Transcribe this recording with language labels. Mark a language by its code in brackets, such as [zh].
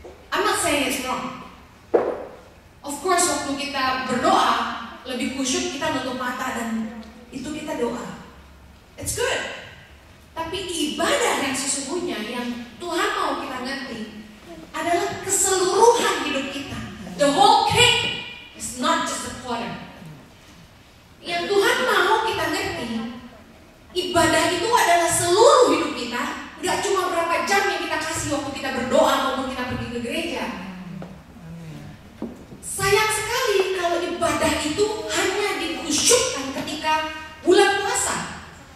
[en] I'm not saying it's wrong. Of course, [id] waktu kita berdoa, lebih khusyuk kita tutup mata dan itu kita doa. [en] It's good. [id] Tapi ibadah yang sesungguhnya, yang Tuhan mau kita ngerti, adalah keseluruhan hidup kita. [en] The whole cake is not just a quarter. [id] Yang Tuhan mau kita ngerti, ibadah itu adalah seluruh hidup kita. Gak cuma berapa jam yang kita kasih waktu kita berdoa, waktu kita pergi ke gereja. Sayang sekali kalau ibadah itu hanya dikhusyukkan ketika bulan puasa.